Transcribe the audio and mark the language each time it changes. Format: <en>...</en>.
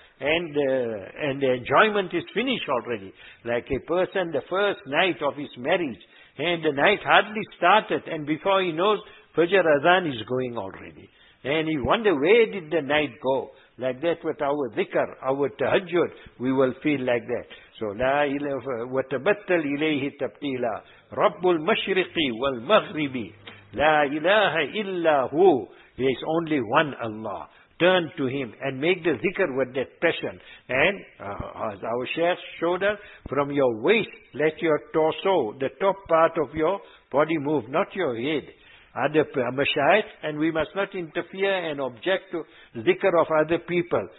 <en>And the enjoyment is finished already. Like a person, the first night of his marriage, and the night hardly started, and before he knows, Fajr Azan is going already. And he wonder, where did the night go? Like that with our dhikr, our tahajjud, we will feel like that.</en> <ar>So, لا إله وتبتل إليه تبتيلا رب المشرق والمغرب لا إله إلا هو.</ar> <en>There is only one Allah. Turn to him and make the zikr with that passion. And as our Shaykh showed us, from your waist, let your torso, the top part of your body move, not your head. Other mashayikh, and we must not interfere and object to zikr of other people.</en>